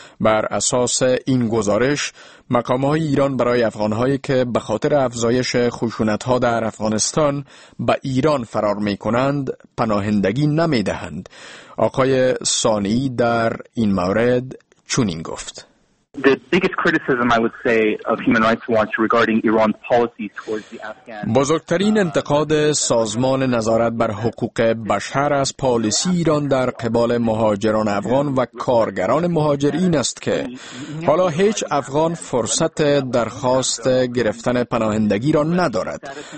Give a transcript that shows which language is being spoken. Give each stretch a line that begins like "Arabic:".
Persian: بر اساس این گزارش، مقام‌های ایران برای افغان‌هایی که به خاطر افزایش خشونت‌ها در افغانستان به ایران فرار می‌کنند، پناهندگی نمی‌دهند. آقای ثانی در این مورد چنین گفت:
English: The biggest criticism I would say of Human Rights Watch regarding Iran's policies towards the Afghan.
Persian: بزرگترین انتقاد سازمان نظارت بر حقوق بشر از پالیسی ایران در قبال مهاجران افغان و کارگران مهاجر این است که حالا هیچ افغان فرصت درخواست گرفتن پناهندگی را ندارد.